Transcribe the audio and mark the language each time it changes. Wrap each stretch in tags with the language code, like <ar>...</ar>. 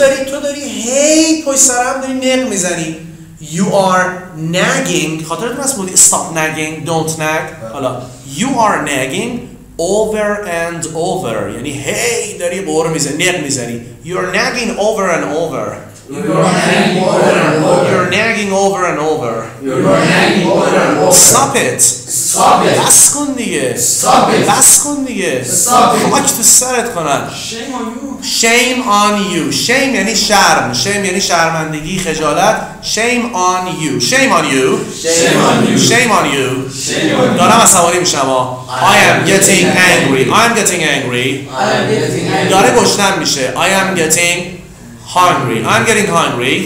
<fa>تو داری هی پشت سرم داری نق میزنی.</fa> <en>You are nagging.</en> <fa>خاطرت هست بودی</fa> <en>stop nagging, don't nag.</en> <fa>حالا</fa> <en>you are nagging over and over.</en> <fa>یعنی هی داری بور میزنی نق میزنی.</fa> <en>You are nagging over and over. You're nagging over and over. You're nagging over and over. Stop it. Stop it.</en> <fa>بس کن دیگه.</fa> <en>Stop it.</en> <fa>بس کن دیگه.</fa> <en>Stop it.</en> <fa>خاک تو سرت کنن.</fa> <en>Shame on you. Shame on you.</en> <fa>Shame یعنی شرم. Shame یعنی شرمندگی، خجالت.</fa> <en>Shame on you. Shame on you. Shame on you. Shame on you. Shame on you.</en> <fa>دارم عصبانی میشم.</fa> <en>I am getting angry. I am getting angry. I am getting angry.</en> <fa>داره گشنم میشه.</fa> <en>I am getting hungry. I'm getting hungry.</en>